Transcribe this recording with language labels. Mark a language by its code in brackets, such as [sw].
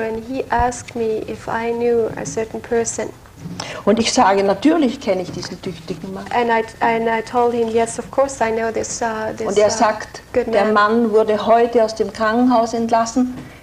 [en] And he asked me if I knew a certain person. [de] Und ich sage, natürlich kenne ich diesen tüchtigen Mann. [en] And I told him, yes, of course I know this good man. [de] Und er sagt, der Mann wurde heute aus dem Krankenhaus entlassen.